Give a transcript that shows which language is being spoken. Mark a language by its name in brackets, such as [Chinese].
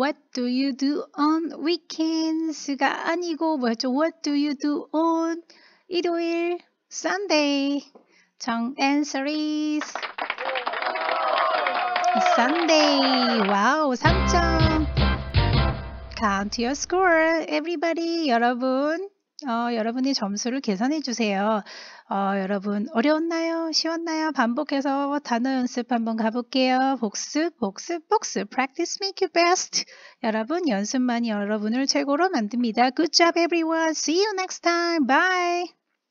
[English] What do you do on weekends가 [Korean] 아니고 뭐였죠? [English] What do you do on 일요일? Sunday. 정 answer is Sunday. [Korean] 와우, 3점. [English] Count your score, everybody. [Korean] 여러분, 여러분이 점수를 계산해 주세요. 여러분, 어려웠나요? 쉬웠나요? 반복해서 단어 연습 한번 가볼게요. 복습, 복습, 복습. [English] Practice make you best. [Korean] 여러분, 연습만이 여러분을 최고로 만듭니다. [English] Good job, everyone. See you next time. Bye.